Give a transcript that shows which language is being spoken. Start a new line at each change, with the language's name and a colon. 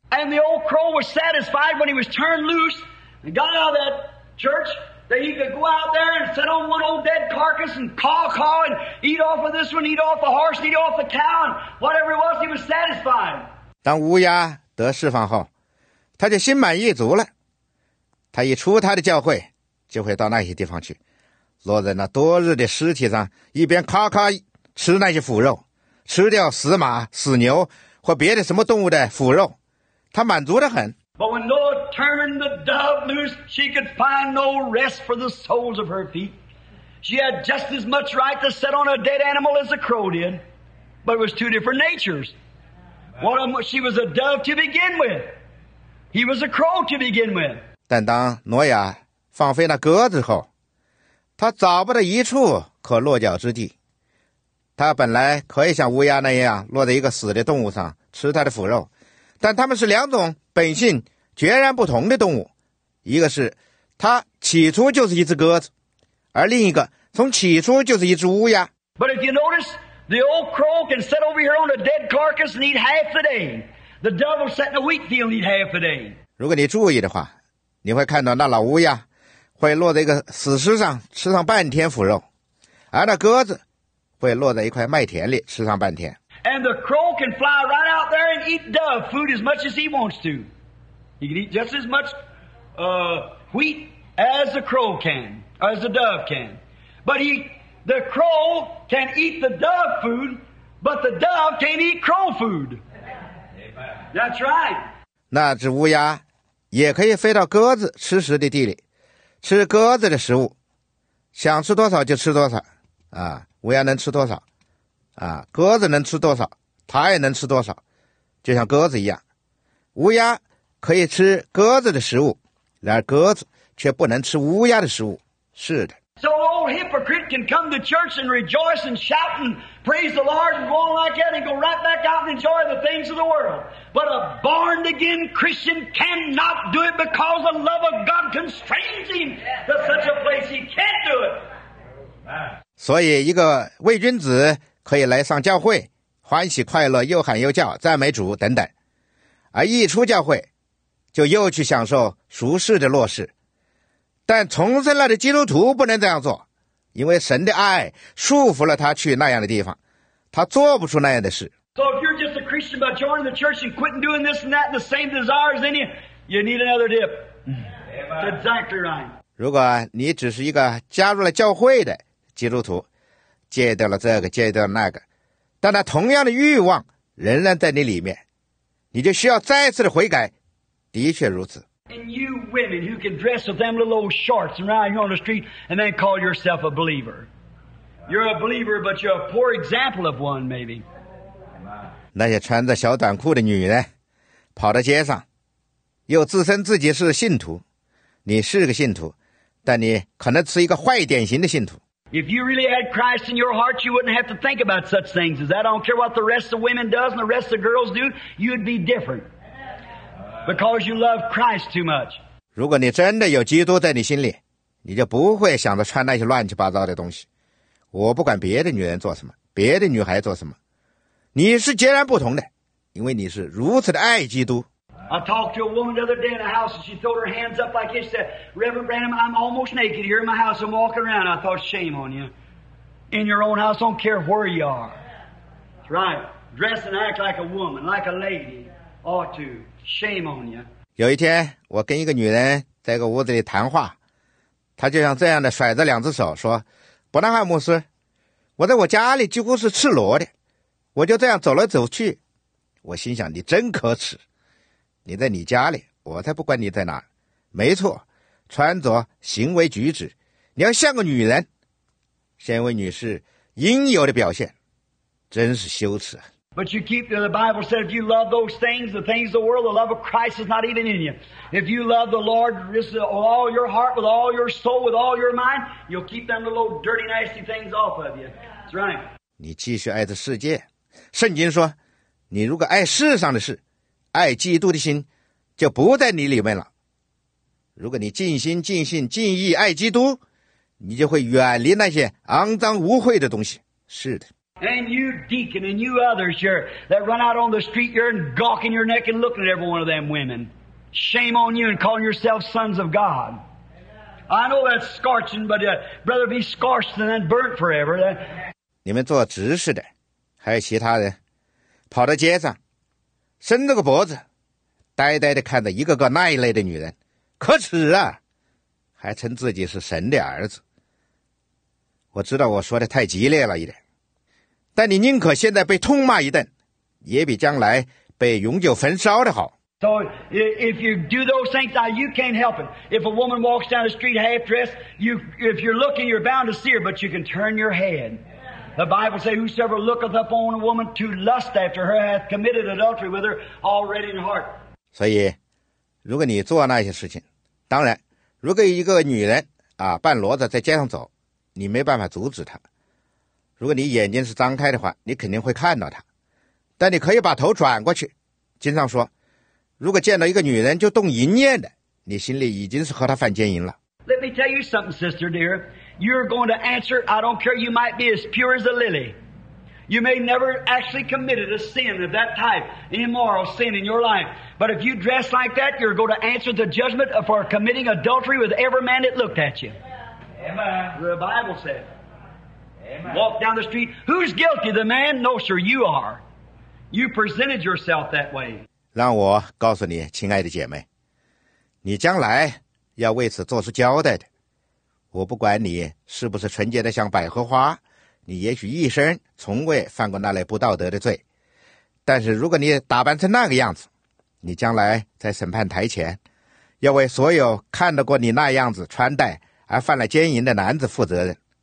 English: And the old crow was satisfied when he was turned loose and got out of that church that he could go out there and sit on one old dead carcass and caw caw and eat off of this one, eat off the horse, eat off the cow, and whatever it was, he was satisfied.
Chinese: 当乌鸦得释放后，他就心满意足了。他一出他的教会，就会到那些地方去。落在那多日的尸体上，一边咔咔吃那些腐肉，吃掉死马、死牛或别的什么动物的腐肉，他满足得很。
English: But when Noah turned the dove loose, she could find no rest for the soles of her feet. She had just as much right to sit on a dead animal as a crow did, but it was two different natures. One of them, she was a dove to begin with. He was a crow to begin with.
Chinese: 但当挪亚放飞那鸽子后，他找不到一处可落脚之地，他本来可以像乌鸦那样落在一个死的动物上吃他的腐肉，但他们是两种本性截然不同的动物，一个是他起初就是一只鸽子，而另一个从起初就是一只乌鸦。
English: But if you notice, the old crow can sit over here on a dead carcass and eat half the day. The dove will sit in a wheat field and eat half the day.
Chinese: 如果你注意的话，你会看到那老乌鸦会落在一个死尸上吃上半天腐肉，而那鸽子会落在一块麦田里吃上半天。
English: And the crow can fly right out there and eat dove food as much as he wants to. He can eat just as much wheat as the crow can, as the dove can. But the crow can eat the dove food, but the dove can't eat crow food. That's right.
Chinese: 那只乌鸦也可以飞到鸽子吃食的地里，吃鸽子的食物，想吃多少就吃多少啊！乌鸦能吃多少啊？鸽子能吃多少，它也能吃多少，就像鸽子一样。乌鸦可以吃鸽子的食物，然而鸽子却不能吃乌鸦的食物。是的。
English: So old hypocrite can come to church and rejoice and shout and praise the Lord and go on like that and go right back out and enjoy the things of the world. But a born again Christian cannot do it because the love of God constrains him to such a place. He can't do it.
Chinese: 所以一个伪君子可以来上教会，欢喜快乐，又喊又叫，赞美主等等，而一出教会就又去享受俗世的乐事。但重生了的基督徒不能这样做，因为神的爱束缚了他去那样的地方，他做不出那样的事。
English: So if you're just a Christian by joining the church and quitting doing this and that and the same desires in you, you need another dip. That's exactly right.
Chinese: 如果你只是一个加入了教会的基督徒，戒掉了这个，戒掉了那个，但那同样的欲望仍然在你里面，你就需要再次的悔改。的确如此。
English: And you women who can dress with them little old shorts and ride here on the street and then call yourself a believer. You're a believer, but you're a poor example of one, maybe.
Chinese: 那些穿着小短裤的女人跑到街上，又自称自己是信徒，你是个信徒，但你可能是一个坏典型的信徒。
English: If you really had Christ in your heart, you wouldn't have to think about such things. Is that? I don't care what the rest of women does and the rest of girls do, you'd be different. Because you love Christ too much.
Chinese: 如果你真的有基督在你心里，你就不会想着穿那些乱七八糟的东西。我不管别的女人做什么，别的女孩做什么，你是截然不同的，因为你是如此的爱基督。
English: I talked to a woman the other day in the house, and she threw her hands up like this, said, Reverend Branham, I'm almost naked here in my house. I'm walking around. I thought, shame on you. In your own house, don't care where you are. That's right. Dress and act like a woman, like a lady ought to. Shame on you.
Chinese: 有一天，我跟一个女人在一个屋子里谈话，她就像这样的甩着两只手说，伯南汉牧师，我在我家里几乎是赤裸的，我就这样走来走去。我心想，你真可耻。你在你家里，我才不管你在哪。没错，穿着、行为举止，你要像个女人，身为女士应有的表现，真是羞耻。
English: But you keep the Bible said if you love those things, the things of the world, the love of Christ is not even in you. If you love the Lord with all your heart, with all your soul, with all your mind, you'll keep them little dirty, nasty things off of you. That's right.
Chinese: 你继续爱着世界，圣经说，你如果爱世上的事。爱基督的心就不在你里面了。如果你尽心尽性尽意爱基督，你就会远离那些肮脏污秽的东西。是的。
English: And you deacon and you others here that run out on the street, you're gawking your neck and looking at every one of them women. Shame on you and calling yourself sons of God. I know that's scorching, but rather be scorched than burnt forever.
Chinese: 你们做执事的，还有其他人，跑到街上。伸着个脖子呆呆地看着一个个那一类的女人，可耻啊，还称自己是神的儿子。我知道我说的太激烈了一点，但你宁可现在被痛骂一顿，也比将来被永久焚烧的好。
English: So if you do those things, you can't help it. If a woman walks down the street half dressed, if you're looking, you're bound to see her, but you can turn your head. The Bible says, whosoever looketh up on a woman to lust after her hath committed adultery with her already in heart.
Chinese: 所以，如果你做那些事情，当然，如果一个女人啊半裸着在街上走，你没办法阻止她。如果你眼睛是张开的话，你肯定会看到她。但你可以把头转过去。经常说，如果见到一个女人就动淫念的，你心里已经是和她犯奸淫了。
English: Let me tell you something, sister dear. You're going to answer, I don't care, you might be as pure as a lily. You may never actually committed a sin of that type, immoral sin in your life. But if you dress like that, you're going to answer the judgment for committing adultery with every man that looked at you. Amen. The Bible said. Amen. Walk down the street. Who's guilty, the man? No, sir, you are. You presented yourself that way.
Chinese: 让我告诉你，亲爱的姐妹，你将来要为此做出交代的。我不管你是不是纯洁的像百合花，你也许一生从未犯过那类不道德的罪，但是如果你打扮成那个样子，你将来在审判台前要为所有看得过你那样子穿戴而犯了奸淫的男子负责任。